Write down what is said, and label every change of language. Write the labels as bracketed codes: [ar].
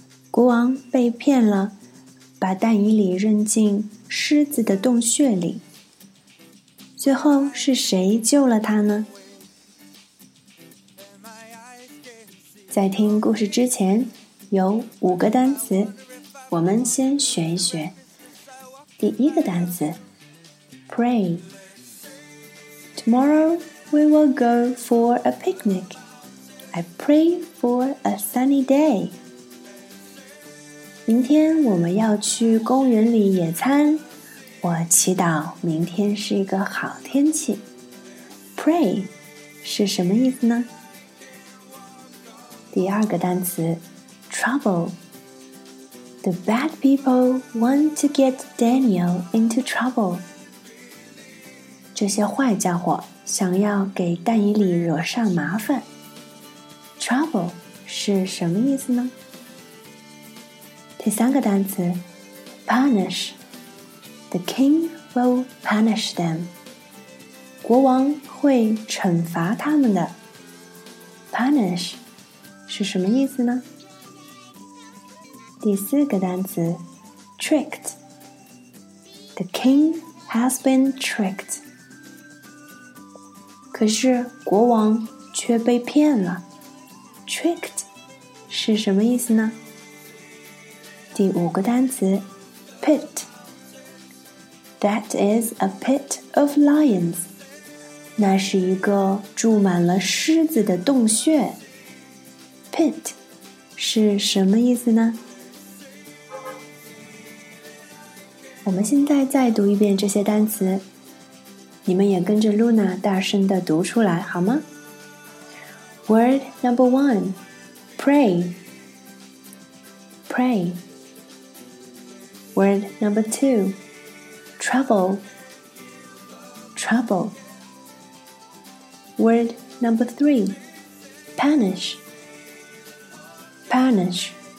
[zh] 国王被骗了，把大尼里扔进狮子的洞穴里。最后是谁救了他呢？在听故事之前，有五个单词，我们先学一学。第一个单词 ，pray。 [en] Tomorrow we will go for a picnic. I pray for a sunny day. [zh] 明天我们要去公园里野餐，我祈祷明天是一个好天气。 Pray 是什么意思呢？第二个单词 ,trouble. [en] The bad people want to get Daniel into trouble. [zh] 这些坏家伙想要给但以理惹上麻烦。 Trouble 是什么意思呢？第三个单词 ,punish. [en] The king will punish them. [zh] 国王会惩罚他们的。Punish. 是什么意思呢？第四个单词 tricked。 [en] The king has been tricked。 [zh] 可是国王却被骗了。 tricked 是什么意思呢？第五个单词 [en] pit。That is a pit of lions。 [zh] 那是一个住满了狮子的洞穴。 Pit 是什么意思呢？我们现在再读一遍这些单词，你们也跟着 Luna 大声地读出来好吗？ [en] Word number one, pray, pray. Word number two, trouble, trouble. Word number three, punish. Punish.